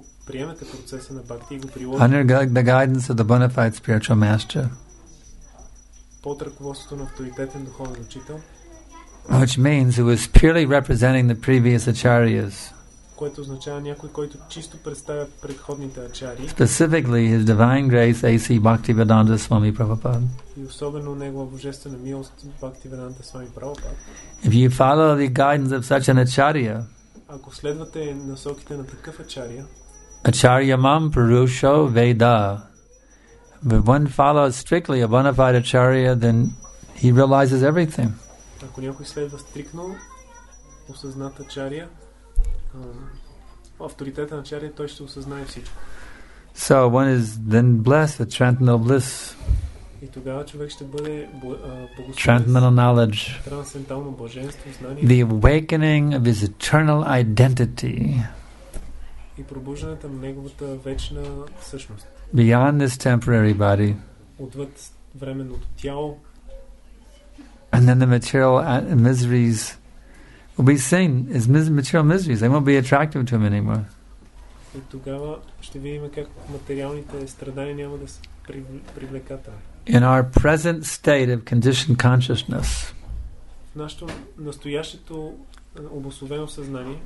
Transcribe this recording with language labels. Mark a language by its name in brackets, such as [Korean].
[Bulgarian] приемете процеса на бхакти и го приложите. [English] Under the guidance of the bona fide spiritual master, [Bulgarian] под ръководството на авторитетен духовен учител, [English] which means who is purely representing the previous acharyas, което означава някой, който чисто представя предходните ачари, specifically his divine grace A.C. Bhaktivedanta Swami Prabhupada, [Bulgarian] и особено негова божествена милост Бхактиведанта Свами Прабхупад. [English] If you follow the guidance of such an acharya, [Bulgarian] ако следвате насоките на такъв ачария, [Sanskrit] Acharya mam purusho veda. [English] If one follows strictly a bona fide acharya, then he realizes everything. [Bulgarian] Ако някой следва стриктно осъзнат ачария, авторитета на ачария, той ще осъзнае всичко. [English] So one is then blessed with transcendental bliss. [Bulgarian] И тогава човек ще бъде благословен. [English] Transcendental knowledge. [Bulgarian] Трансцендентално божество, знание. [English] The awakening of his eternal identity. [Bulgarian] И пробуждането на неговата вечна същност. [English] Beyond this temporary body. [Bulgarian] Отвъд временното тяло. [English] And then the material miseries will be seen as material miseries. They won't be attractive to him anymore. [Bulgarian] И тогава ще видим как материалните страдания няма да са привлекателни. [English] In our present state of conditioned consciousness, [Bulgarian] в нашето настоящето обусловено съзнание,